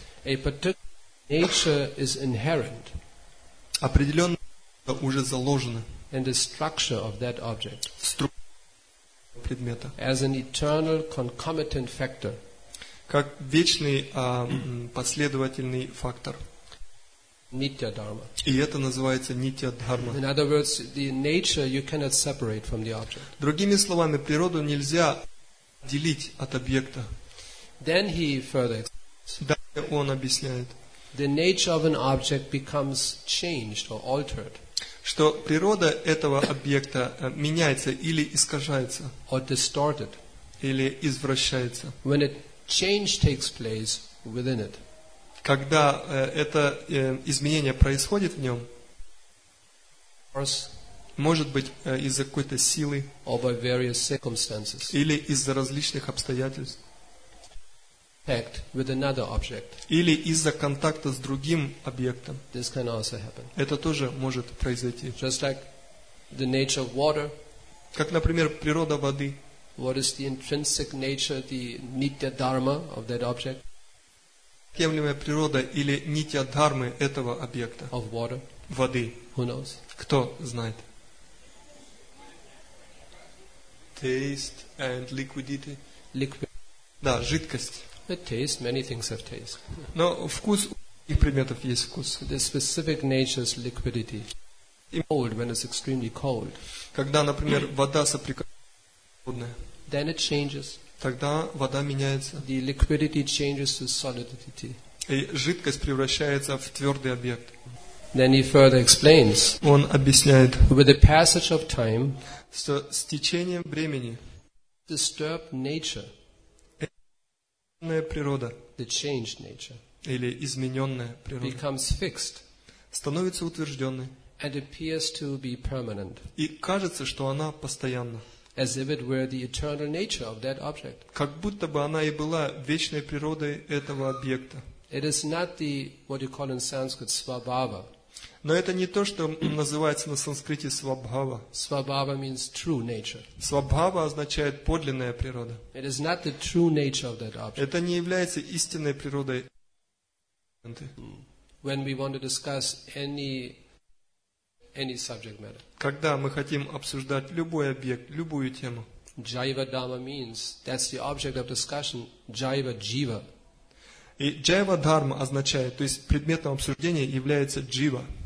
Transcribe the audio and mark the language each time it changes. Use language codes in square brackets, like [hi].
[en] a particular nature is inherent, [ru] определенно уже заложено. [en] And the structure of that object, [ru] структура предмета, [en] as an eternal concomitant factor, [ru] как вечный последовательный фактор, [sa] nitya dharma. [ru] И это называется nitya dharma. [en] In other words, the nature you cannot separate from the object. [ru] Другими словами, природу нельзя делить от объекта. [en] Then he further explains. [ru] Далее он объясняет. [en] The nature of an object becomes changed or altered. [ru] Что природа этого объекта меняется или искажается. [en] Or distorted. [ru] Или извращается. [en] When a change takes place within it. [ru] Когда это изменение происходит в нем. [en] Force, [ru] может быть из-за какой-то силы. [en] Or by various circumstances. [ru] Или из-за различных обстоятельств. [en] Contact with another object. [ru] Или из-за контакта с другим объектом. [en] This can also happen. [ru] Это тоже может произойти. [en] Just like the nature of water. [ru] Как, например, природа воды. [en] What is the intrinsic nature, the nitya dharma of that object? [ru] Неотъемлемая природа или нитья дхармы этого объекта. [en] Of water. [ru] Воды. [en] Who knows? [ru] Кто знает? [en] Taste and liquidity. [ru] Да, жидкость. [en] The taste, many things have taste. [ru] Но вкус, у многих предметов есть вкус. [en] The specific nature's liquidity. Cold when it's extremely cold. [ru] Когда, например, вода соприкасается с водой. [en] Then it changes. [ru] Тогда вода меняется. [en] The liquidity changes to solidity. [ru] И жидкость превращается в твердый объект. [en] Then he further explains. [ru] Он объясняет. [en] With the passage of time. [ru] Что с течением времени. [en] Disturb nature. [ru] Природа, [en] the changed nature, [ru] или измененная природа, [en] becomes fixed, [ru] становится утвержденной, [en] and appears to be permanent, [ru] и кажется, что она постоянна, [en] as if it were the eternal nature of that object, [ru] как будто бы она и была вечной природой этого объекта. [en] It is not the what you call in Sanskrit svabhava, [ru] но это не то, что называется на санскрите свабхава. [en] Свабхава means true nature. [ru] Свабхава означает подлинная природа. [en] It is not the true nature of that object. [ru] Это не является истинной природой. [en] When we want to discuss any subject matter. [ru] Когда мы хотим обсуждать любой объект, любую тему. [en] Jiva dhamma means that's the object of discussion. Jiva jiva. [ru] И джайва дхарма означает, то есть предметом обсуждения является джива.